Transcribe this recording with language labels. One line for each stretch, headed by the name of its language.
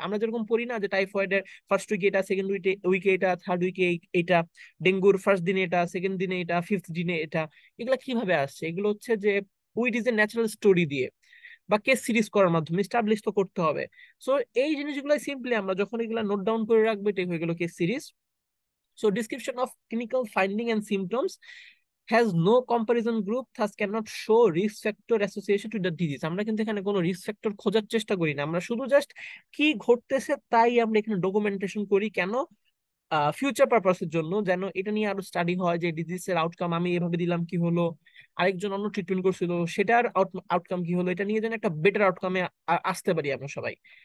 Bangla: আমরা যেরকম পড়ি না যে টাইফয়েড এর ফার্স্ট উইকে এটা, সেকেন্ড উইকে এটা, থার্ড উইকে এটা, ডেঙ্গুর ফার্স্ট দিনে এটা, সেকেন্ড দিনে এটা, ফিফথ দিনে এটা, এগুলো কিভাবে আসছে, এগুলো হচ্ছে যে wheat is a natural story দিয়ে বা কেস সিরিজ করার মাধ্যমে এস্টাবলিশ তো করতে হবে। সো এই জিনিসগুলো সিম্পলি আমরা যখন এগুলো নোট ডাউন করে রাখবো, এটাই হয়ে গেল case series.
English: So description of clinical finding and symptoms has no comparison group, thus cannot show risk factor association to the disease.
Bangla: আমরা কিন্তু এখানে কোনো রিস্ক ফ্যাক্টর খোঁজার চেষ্টা করি না, আমরা শুধু জাস্ট কি ঘটতেছে তাই আমরা এখানে ডকুমেন্টেশন করি, কেন ফিউচার পারপাসের জন্য, যেন এটা নিয়ে আরো স্টাডি হয় যে ডিজিজ এর আউটকাম আমি এভাবে দিলাম কি হলো, আরেকজন অন্য ট্রিটমেন্ট করছিল সেটার আউটকাম কি হলো, এটা নিয়ে যেন একটা বেটার আউটকামে আসতে পারি আমরা সবাই।